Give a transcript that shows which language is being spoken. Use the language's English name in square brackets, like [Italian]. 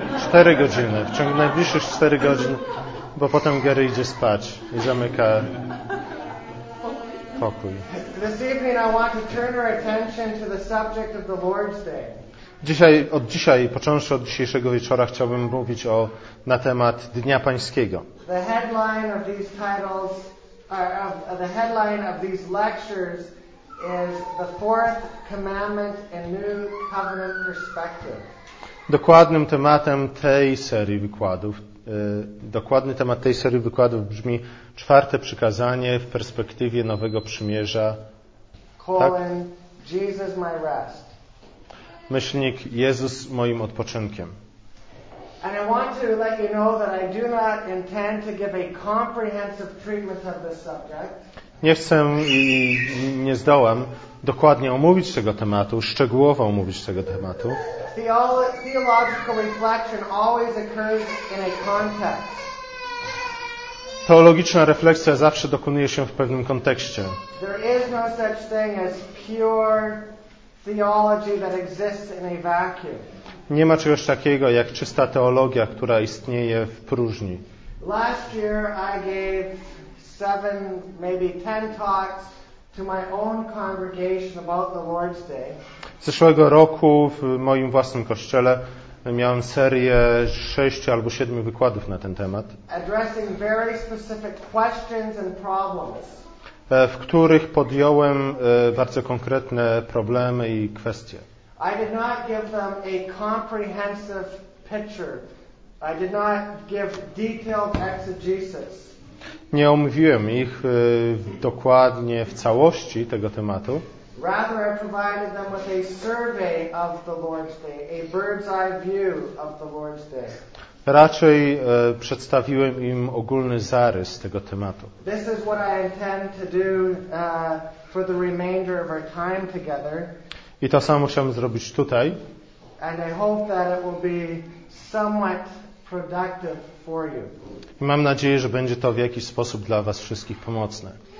[Polish] 4 godziny. W ciągu najbliższych 4 godzin, bo potem Gary idzie spać i zamyka pokój. [English] This evening I want to turn our attention to the subject of the Lord's Day. [Polish] Dzisiaj, od dzisiaj, począwszy od dzisiejszego wieczora, chciałbym mówić o, na temat Dnia Pańskiego. [English] The headline of these titles, the headline of these lectures is the fourth commandment in new covenant perspective. [Polish] Dokładnym tematem tej serii wykładów, dokładny temat tej serii wykładów brzmi czwarte przykazanie w perspektywie Nowego Przymierza. [English] Colon, tak? Jesus my rest. [Polish] Myślnik Jezus moim odpoczynkiem. [English] And I want to let you know that I do not intend to give a comprehensive treatment of this subject. [Polish] Nie chcę i nie zdołam dokładnie omówić tego tematu, szczegółowo omówić tego tematu. [English] Theological reflection always occurs in a context. [Polish] Teologiczna refleksja zawsze dokonuje się w pewnym kontekście. [English] There is no such thing as pure theology that exists in a vacuum. [Polish] Nie ma czegoś takiego jak czysta teologia, która istnieje w próżni. [English] Last year I gave 7, maybe 10 talks to my own congregation about the Lord's Day. [Polish] Zeszłego roku w moim własnym kościele miałem serię 6 albo 7 wykładów na ten temat. [English] Addressing very specific questions and problems. [Polish] W których podjąłem bardzo konkretne problemy i kwestie. [English] I did not give them a comprehensive picture. I did not give detailed exegesis. [Polish] Nie omówiłem ich dokładnie w całości tego tematu. [English] Rather I provided them with a survey of the Lord's Day, a bird's eye view of the Lord's Day. [Polish] Raczej przedstawiłem im ogólny zarys tego tematu. [English] This is what I intend to do for the remainder of our time together. [Polish] I to samo chciałem zrobić tutaj. [English] And I hope that it will be somewhat productive for you. [Polish] I mam nadzieję, że będzie to w jakiś sposób dla was wszystkich pomocne.